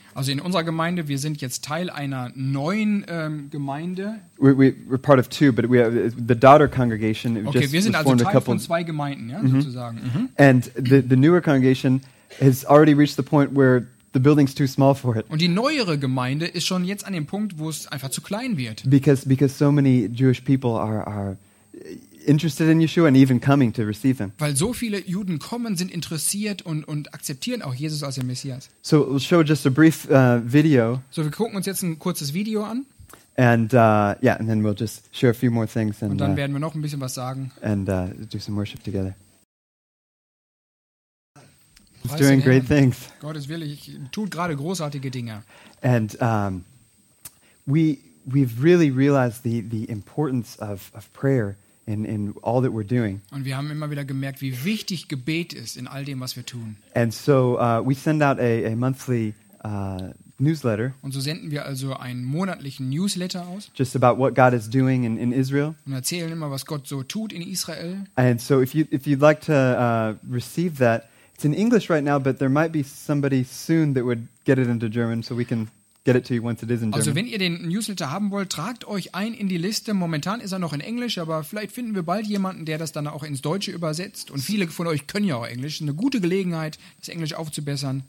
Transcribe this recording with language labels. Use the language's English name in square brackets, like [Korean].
[German] Also in unserer Gemeinde, wir sind jetzt Teil einer neuen Gemeinde. [English] We're part of two, but we have the daughter congregation. [German] Okay, wir sind also Teil von zwei Gemeinden, ja, mm-hmm. sozusagen. Mm-hmm. [English] And the newer congregation has already reached the point where the building's too small for it. [German] Und die neuere Gemeinde ist schon jetzt an dem Punkt, wo es einfach zu klein wird. [English] Because so many Jewish people are interested in Yeshua and even coming to receive him. [German] Weil so viele Juden kommen, sind interessiert und akzeptieren auch Jesus als den Messias. [English] So we'll show just a brief video. [German] So wir gucken uns jetzt ein kurzes Video an. [English] And and then we'll just share a few more things. [German] Und dann werden wir noch ein bisschen was sagen. [English] And do some worship together. He's doing great things. [German] Gott ist wirklich, tut gerade großartige Dinge. [English] And we've really realized the importance of prayer. In all that we're doing. [German] Und wir haben immer wieder gemerkt, wie wichtig Gebet ist in all dem, was wir tun. [English] And so we send out a monthly newsletter. [German] Und so senden wir also einen monatlichen Newsletter aus. [English] Just about what God is doing in Israel. [German] Und erzählen immer, was Gott so tut in Israel. [English] And so if you'd like to receive that, it's in English right now, but there might be somebody soon that would get it into German, so we can get it to you once it is in German. [German] Also wenn ihr den Newsletter haben wollt, tragt euch ein in die Liste. Momentan ist er noch in Englisch, aber vielleicht finden wir bald jemanden, der das dann auch ins Deutsche übersetzt. Und viele von euch können ja auch Englisch. Eine gute Gelegenheit, das Englisch aufzubessern.